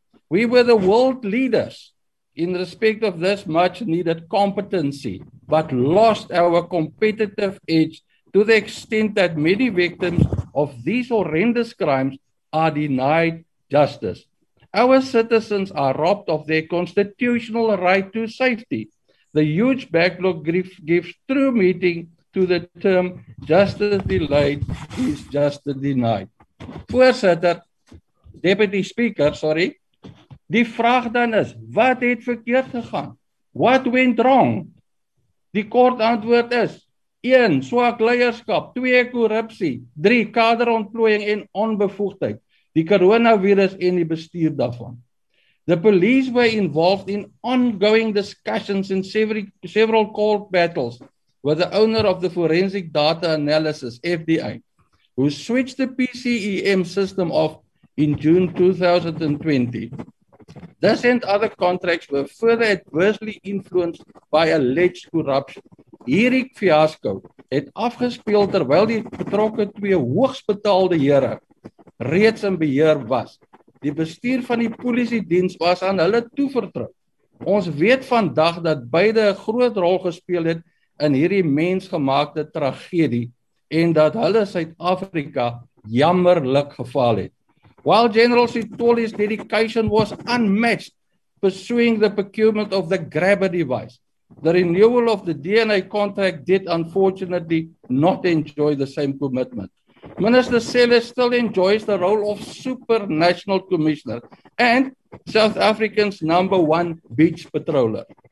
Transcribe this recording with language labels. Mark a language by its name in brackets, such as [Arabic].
[English] We were the world leaders in respect of this much needed competency, but lost our competitive edge to the extent that many victims of these horrendous crimes are denied justice. Our citizens are robbed of their constitutional right to safety. The huge backlog gives true meaning to the term justice delayed is justice denied. Voorzitter, Deputy Speaker, sorry. [Afrikaans] Die vraag dan is, wat het verkeerd gegaan? What went wrong? Die kort antwoord is, 1. Swak leierskap, 2. Korrupsie, 3. Kaderontplooiing en onbevoegdheid, die coronavirus en die bestuur daarvan. [English] The police were involved in ongoing discussions in several court battles with the owner of the forensic data analysis, FDA, who switched the PCEM system off in June 2020. This and other contracts were further adversely influenced by alleged corruption. [Afrikaans] Hierdie fiasco het afgespeel terwyl die betrokke twee hoogst betaalde here reeds in beheer was. Die bestuur van die polisiediens was aan hulle toevertrou. Ons weet vandag dat beide 'n groot rol gespeel het in hierdie mensgemaakte tragedie en dat hulle Suid-Afrika jammerlik gefaal het. [English] While General Sithole's dedication was unmatched, pursuing the procurement of the grabber device, the renewal of the DNA contract did unfortunately not enjoy the same commitment. Minister Sele still enjoys the role of super national commissioner and South Africa's number one beach patroller.